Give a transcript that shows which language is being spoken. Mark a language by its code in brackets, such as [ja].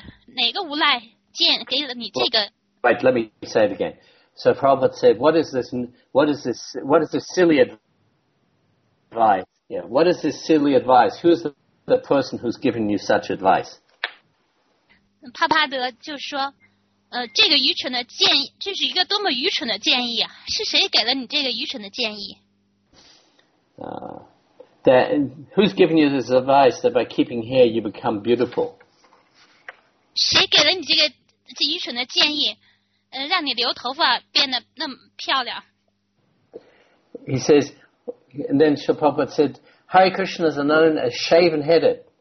[zh] 这个无赖的建议是谁提出来的？哪个无赖建给了你这个？ [en] Wait, let me say it again. So Prabhupada said, "What is this silly advice? Yeah, what is this silly advice? Who is the person who's giving you such advice?" [zh] 帕帕德就说，这个愚蠢的建议，这是一个多么愚蠢的建议啊！是谁给了你这个愚蠢的建议？" [en] That, who's giving you this advice that by keeping hair you become beautiful? [zh] 谁给了你这愚蠢的建议，让你留头发变得那么漂亮？" [en] He says, and then Srila Prabhupada said, "Hare Krishnas are known as shaven-headed.